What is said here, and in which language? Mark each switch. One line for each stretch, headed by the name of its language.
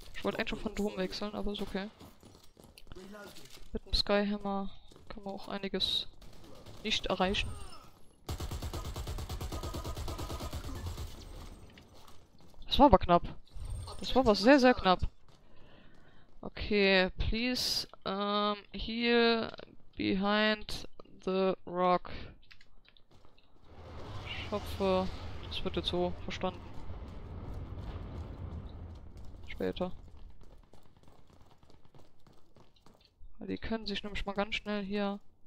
German: Ich wollte eigentlich schon von Dom wechseln, aber ist okay. Mit dem Skyhammer kann man auch einiges nicht erreichen. Das war aber knapp. Das war aber sehr, sehr knapp.
English: Okay, please, heal behind the rock.
German: Ich hoffe, das wird jetzt so verstanden. Später. Weil die können sich nämlich mal ganz schnell hier...